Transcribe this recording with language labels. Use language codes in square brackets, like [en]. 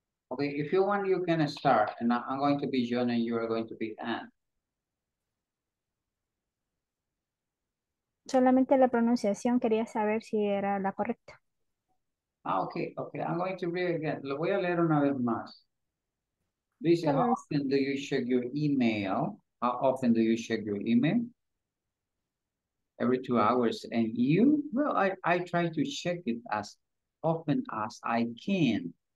[en] Okay, if you want, you can start, and I'm going to be John and you are going to be Anne. [es] Solamente la pronunciación, quería saber si era la correcta. [en] Ah, okay, okay, I'm going to read again. Lo voy a leer una vez más. Dice, how often do you check your email? How often do you check your email? Every 2 hours. And you? Well, I try to check it as often as I can.